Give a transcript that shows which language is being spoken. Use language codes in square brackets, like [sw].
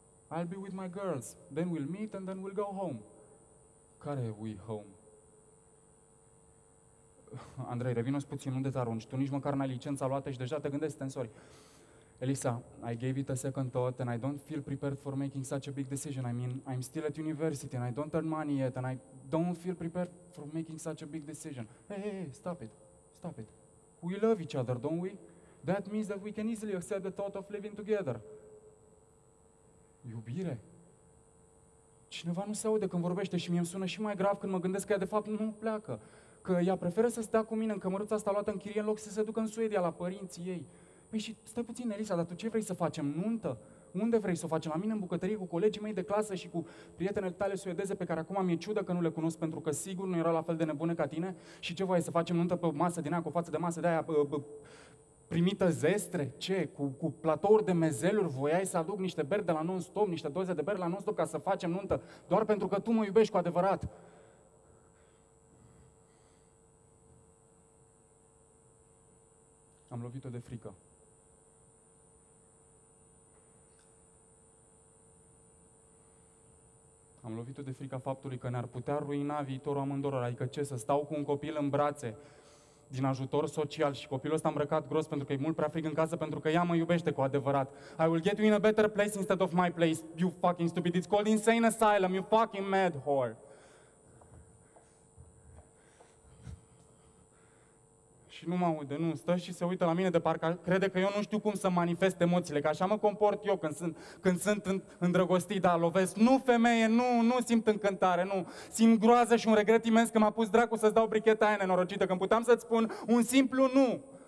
[en] I'll be with my girls, then we'll meet and then we'll go home. Care we home? [ro] Andrei, revino-ți puțin, unde te arunci? Tu nici măcar n-ai licența luată și deja te gândești, tensori. [en] Elisa, I gave it a second thought and I don't feel prepared for making such a big decision. I mean, I'm still at university and I don't earn money yet and I don't feel prepared for making such a big decision. Hey, stop it. Stop it. We love each other, don't we? That means that we can easily accept the thought of living together. [ro] Iubire? Cineva nu se aude când vorbește și mie îmi sună și mai grav când mă gândesc că ea de fapt nu pleacă. Că ea preferă să stea cu mine în cămăruța asta luată în chirie în loc să se ducă în Suedia la părinții ei. Păi și stai puțin, Elisa, dar tu ce vrei să facem? Nuntă? Unde vrei să o facem? La mine, în bucătărie, cu colegii mei de clasă și cu prietenele tale suedeze, pe care acum mi-e ciudă că nu le cunosc, pentru că sigur nu era la fel de nebune ca tine? Și ce voiai să facem? Nuntă pe masă din aia, cu față de masă de aia primită zestre? Ce? Cu platouri de mezeluri? Voiai să aduc niște beri de la non-stop, niște doze de beri la non-stop ca să facem nuntă doar pentru că tu mă iubești cu adevărat? Am lovit-o de frică. Am lovit-o de frica faptului că ne-ar putea ruina viitorul amândoror. Adică ce, să stau cu un copil în brațe din ajutor social și copilul ăsta îmbrăcat gros pentru că e mult prea frig în casă, pentru că ea mă iubește cu adevărat. [en] I will get you in a better place instead of my place, you fucking stupid. It's called insane asylum, you fucking mad whore. [ro] Și nu mă aude, nu, stă și se uită la mine de parcă crede că eu nu știu cum să manifest emoțiile, că așa mă comport eu când sunt îndrăgostit, dar lovesc. Nu, femeie, nu simt încântare, nu. Simt groază și un regret imens că m-a pus dracu să-ți dau bricheta aia nenorocită, când puteam să-ți spun un simplu nu.